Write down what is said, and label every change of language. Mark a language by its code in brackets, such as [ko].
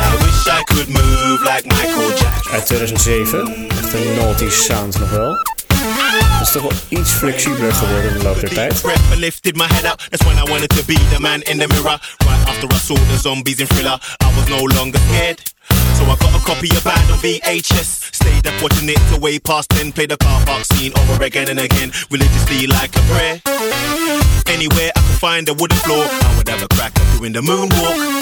[en] I wish I could move like Michael Jackson [nl] Uit 2007 Een naughty sound nog wel. Het is toch wel iets flexibeler geworden in de loop der tijd. [en] I lifted my head up. That's when I wanted to be the man in the mirror. Right after I saw the zombies in thriller, I was no longer scared. So I got a copy of Bad on VHS. Stayed up watching it till way past 10. Played the car park scene over again and again. Religiously like a prayer. Anywhere I could find a wooden floor, I would have a crack at doing the moonwalk.